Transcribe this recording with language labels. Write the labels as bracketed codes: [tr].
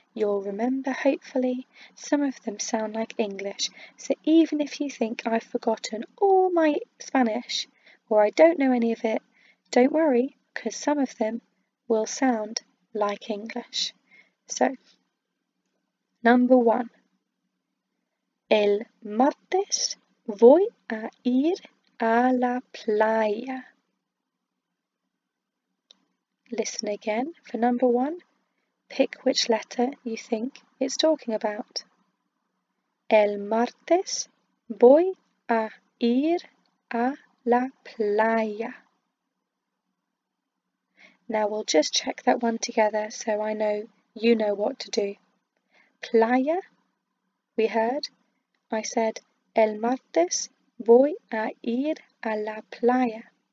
[en] You'll remember, hopefully, some of them sound like English, so even if you think I've forgotten all my Spanish, or I don't know any of it, don't worry, because some of them will sound like English. So, number one. [es] El martes voy a ir a la playa. [en] Listen again for number one. Pick which letter you think it's talking about. [es] El martes voy a ir a la playa. [en] Now we'll just check that one together so I know you know what to do. Playa, we heard. I said, [es] el martes voy a ir a la playa.